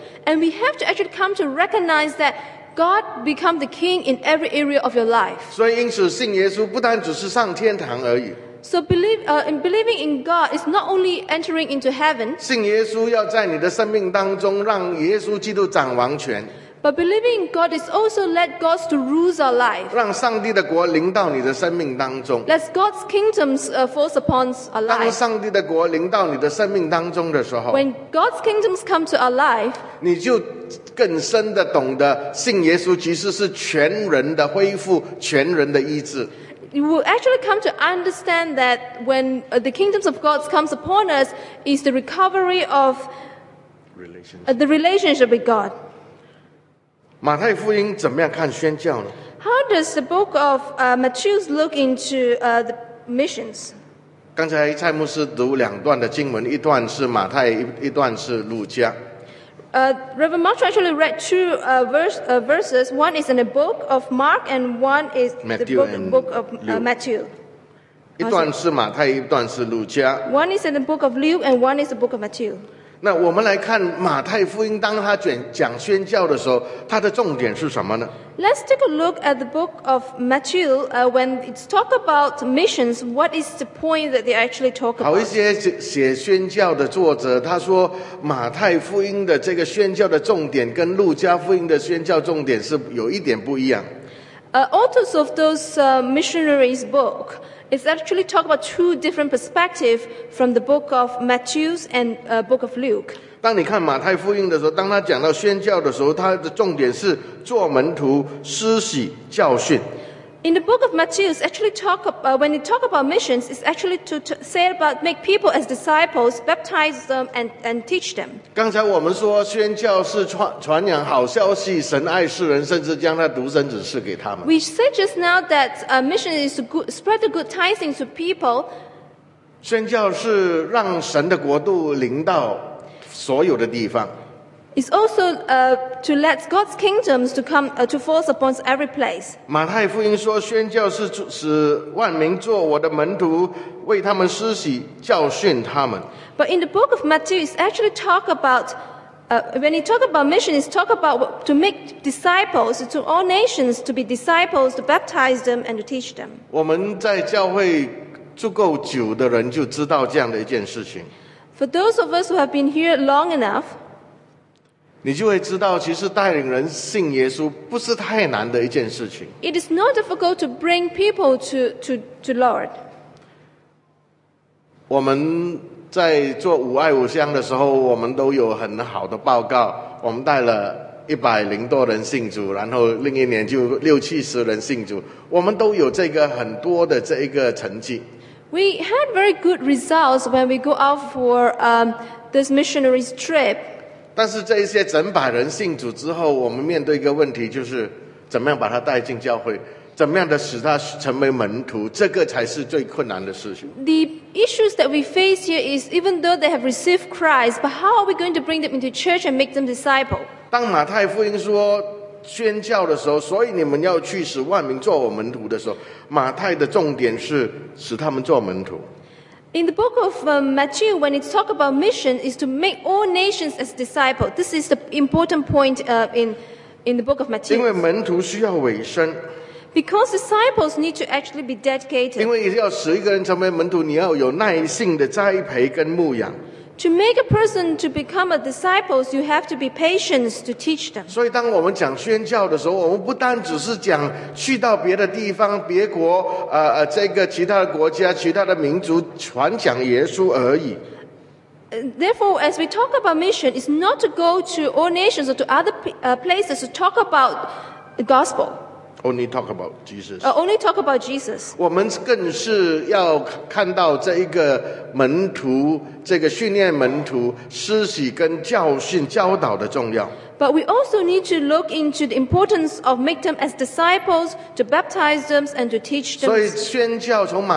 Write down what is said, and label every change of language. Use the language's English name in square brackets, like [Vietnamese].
[English] And we have to actually come to recognize that God become the king in every area of your life. [Chinese] 所以因此信耶稣不单只是上天堂而已。 [English] So believing in God is not only entering into heaven. [Chinese] 信耶稣要在你的生命当中让耶稣基督掌王权。 [English] But believing in God is also let God to rule our life. [Chinese] 让上帝的国临到你的生命当中。 [English] Let God's kingdom force upon our life. [Chinese] 当上帝的国临到你的生命当中的时候。 [English] When God's kingdom come to our life, [Chinese] 你就更深的懂得信耶稣其实是全人的恢复，全人的医治。 [English] You will actually come to understand that when the kingdoms of God comes upon us, is the recovery of the relationship with God. [Chinese] 马太福音怎么样看宣教呢？ [English] How does the book of Matthew look into the missions? [Chinese] 刚才蔡牧师读两段的经文，一段是马太，一段是路加。 [English] Reverend Marshall actually read two verses. One is in the book of Mark and one is Matthew the book of Matthew. [Chinese] 一段是马太，一段是路加。 [English] One is in the book of Luke and one is the book of Matthew. [Chinese] 那我们来看马太福音，当他讲宣教的时候，他的重点是什么呢？ [English] Let's take a look at the book of Matthew. When it's talk about missions, what is the point that they actually talk about? [Chinese] 好一些写宣教的作者，他说马太福音的这个宣教的重点跟路加福音的宣教重点是有一点不一样。 [English] Authors of those missionaries' book. It's actually talk about two different perspectives from the book of Matthew and book of Luke. [Chinese] 当你看马太福音的时候，当他讲到宣教的时候，他的重点是做门徒、施洗、教训。 [English] In the book of Matthew, it's actually talk about, when you talk about missions, it's actually to say about make people as disciples, baptize them and teach them. [Chinese] 刚才我们说宣教是传扬好消息，神爱世人，甚至将他独生子赐给他们。 [English] We said just now that a mission is to spread the good tidings to people. [Chinese] 宣教是让神的国度临到所有的地方。 [English] It's also to let God's kingdoms to come to force upon every place. [Chinese] 马太福音说，宣教是使万民做我的门徒，为他们施洗，教训他们。 [English] But in the book of Matthew, it's actually talk about when he talk about mission, it's talk about to make disciples to all nations to be disciples to baptize them and to teach them. [Chinese] 我们在教会住够久的人就知道这样的一件事情。 [English] For those of us who have been here long enough. [Chinese] 你就会知道，其实带领人信耶稣不是太难的一件事情。 [English] It is not difficult to bring people to Lord. [Chinese] 我们在做五爱五乡的时候，我们都有很好的报告。我们带了100多人信主，然后另一年就60-70人信主，我们都有这个很多的这一个成绩。 [English] We had very good results when we go out for this missionary's trip. [Chinese] 但是这一些整百人信主之后，我们面对一个问题，就是怎么样把他带进教会，怎么样的使他成为门徒，这个才是最困难的事情。 [English] The issues that we face here is even though they have received Christ, but how are we going to bring them into church and make them disciple? [Chinese] 当马太福音说宣教的时候，所以你们要去使万民做我门徒的时候，马太的重点是使他们做门徒。 [English] In the book of Matthew, when it's talk about mission, is to make all nations as disciples. This is the important point in the book of Matthew. [Chinese] 因为门徒需要委身。 [English] Because disciples need to actually be dedicated. [Chinese] 因为要使一个人成为门徒，你要有耐性的栽培跟牧养。 [English] To make a person to become a disciple, you have to be patient to teach them. [Chinese] 所以当我们讲宣教的时候，我们不单只是讲去到别的地方、别国、这个其他的国家、其他的民族传讲耶稣而已。 [English] Therefore, as we talk about mission, it's not to go to all nations or to other places to talk about the gospel. Only talk about Jesus. Only talk about Jesus. [Chinese] 我们更是要看到这一个门徒、这个训练门徒、施洗跟教训、教导的重要。 [English] But we also need to look into the importance of making them as disciples, to baptize them and to teach them.